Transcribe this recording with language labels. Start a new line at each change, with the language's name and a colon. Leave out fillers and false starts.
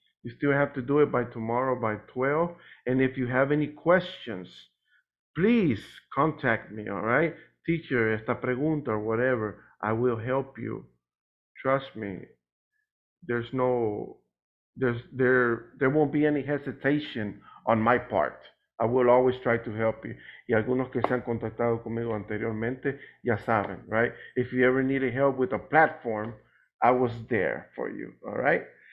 English: You still have to do it by tomorrow by 12, and if you have any questions, please contact me, all right? Teacher,
Spanish: esta pregunta
English: or whatever, I will help you. Trust me. There won't be any hesitation on my part. I will always try to help you.
Spanish: Y algunos que se han contactado conmigo anteriormente, ya saben, right?
English: If you ever needed help with a platform, I was there for you, all right?